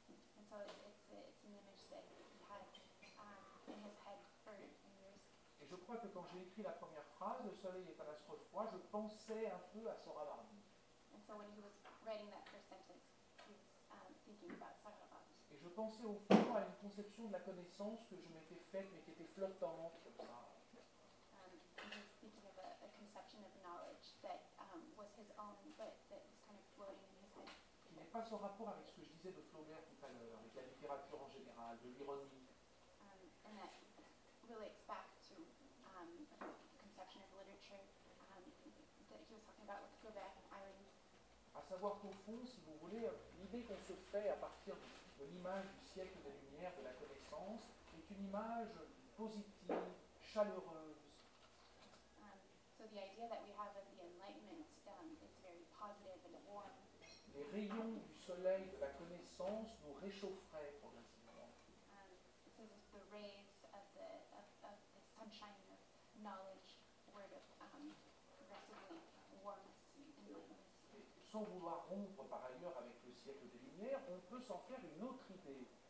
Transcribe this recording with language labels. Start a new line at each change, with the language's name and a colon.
French: Et je crois que quand j'ai écrit la première phrase, le soleil est un astre froid, je pensais un peu à Sora Varni. Et je pensais au fond à une conception de la connaissance que je m'étais faite, mais qui était flottante, comme ça.
English: He was thinking of a conception of knowledge that was his own, but that was kind of floating in his head.
French: Qui n'est pas son rapport avec ce que je disais de Flaubert tout à l'heure, avec la littérature en général, de l'ironie.
English: And that relates back to the conception of literature that he was talking about with Flaubert and irony.
French: À savoir qu'au fond, si vous voulez, l'idée qu'on se fait à partir de l'image du siècle des Lumières, de la connaissance, est une image positive, chaleureuse.
English: So the idea that we have of the Enlightenment is very positive and warm.
French: Les rayons du soleil de la connaissance nous réchaufferaient progressivement.
English: So the rays of the sunshine of knowledge were progressively warm.
French: Sans vouloir rompre par ailleurs avec le siècle des Lumières, on peut s'en faire une autre idée.